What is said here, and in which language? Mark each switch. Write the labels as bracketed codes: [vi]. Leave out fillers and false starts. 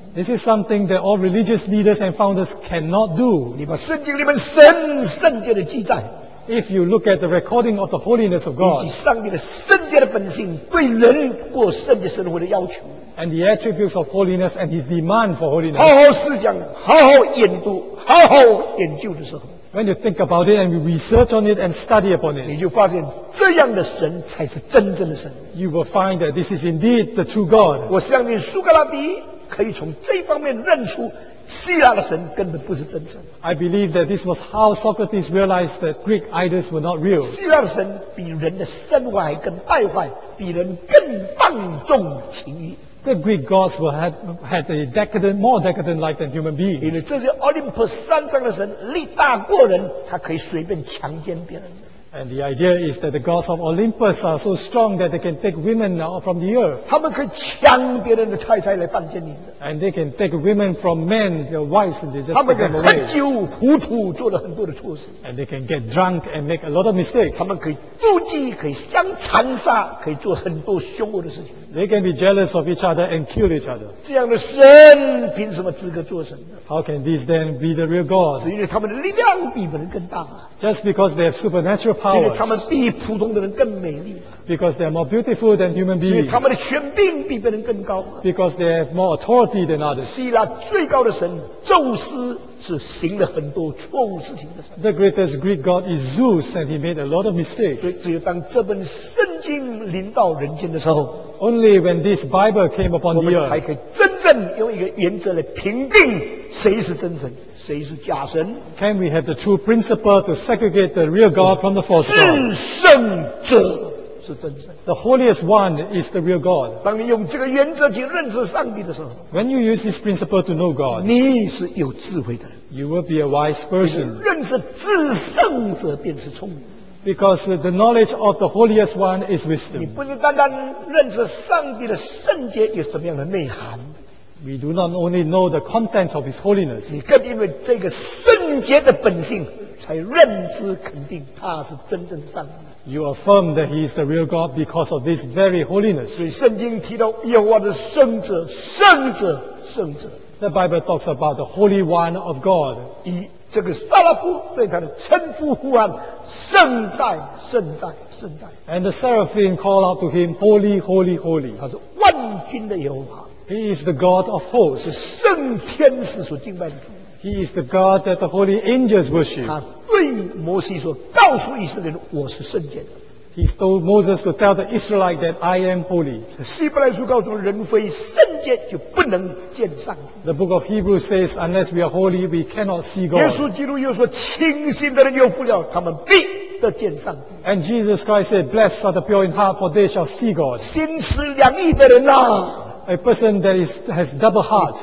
[en] This is something that all religious leaders and founders cannot do. [zh] 你把圣经里面神圣洁的记载 [en] ，If you look at the recording of the holiness of God， [zh] 以及上帝的圣洁的本性对人过圣洁生活的要求 [en] ，and the attributes of holiness and his demand for holiness， [zh] 好好思想，好好研读，好好研究的时候 [en] ，When you think about it and you research on it and study upon it， [zh] 你就发现这样的神才是真正的神。 [en] You will find that this is indeed the true God。 [zh] 我相信苏格拉底。可以从这方面认出希腊的神根本不是真神。 [en] I believe that this was how Socrates realized that Greek idols were not real. [zh] 希腊的神比人的身外更败坏，比人更放纵情欲。 [en] The Greek gods were had a decadent, more decadent life than human beings. [zh] 因为这些 Olympus 山上的神力大过人，他可以随便强奸别人。 [en] And the idea is that the gods of Olympus are so strong that they can take women from the earth. [zh] 他们可以抢别人的太太来放进里面。 [en] And they can take women from men, their wives, and they just take them away. [zh] 他们喝酒糊涂做了很多的错事。 [en] And they can get drunk and make a lot of mistakes. [zh] 他们可以妒忌，可以相残杀，可以做很多凶恶的事情。 [en] They can be jealous of each other and kill each other. [zh] 这样的神凭什么资格做神呢？ [en] How can these then be the real God? [zh] 是因为他们的力量比人更大。 [en] Just because they have supernatural powers. [zh] 因为他们比普通的人更美丽。 [en] Because they are more beautiful than human beings. [zh] 因为他们的权柄比别人更高。 [en] Because they have more authority than others. [zh] 希腊最高的神宙斯是行了很多错误事情的神。 [en] The greatest Greek god is Zeus, and he made a lot of mistakes. [zh] 所以只有当这本圣经临到人间的时候。 [en] Only when this Bible came upon the earth, [zh] 我们才可以真正用一个原则来评定谁是真神，谁是假神。 [en] Can we have the true principle to segregate the real God from the false God? [zh] 至圣者是真神。 [en] The holiest one is the real God. [zh] 当你用这个原则去认识上帝的时候， [en] When you use this principle to know God, [zh] 你是有智慧的。 [en] You will be a wise person. [zh] 认识至圣者便是聪明。 [en] Because the knowledge of the holiest one is wisdom. [zh] 你不是单单认识上帝的圣洁有什么样的内涵。 [en] We do not only know the content of his holiness. [zh] 你更因为这个圣洁的本性才认知肯定他是真正的上帝。 [en] You affirm that he is the real God because of this very holiness. [zh] 所以圣经提到耶和华的圣者，圣者，圣者。 [en] The Bible talks about the Holy One of God. [zh] 以这个撒拉夫对他的称呼呼喊，圣哉，圣哉，圣哉。 [en] And the seraphim call out to him, Holy, Holy, Holy. [zh] 他是万军的耶和华。 [en] He is the God of hosts. [zh] 是圣天使所敬拜的。 [en] He is the God that the holy angels worship. [zh] 他对摩西说，告诉以色列人，我是圣洁的。 [en] He told Moses to tell the Israelite that I am holy. [zh] 希伯来书告诉我们，人非圣洁就不能见上帝。 [en] The book of Hebrews says, unless we are holy, we cannot see God. [zh] 耶稣基督又说，清心的人有福了，他们必得见上帝。 [en] And Jesus Christ said, blessed are the pure in heart, for they shall see God. [zh] 心思两意的人啊。 [en] A person that has double heart.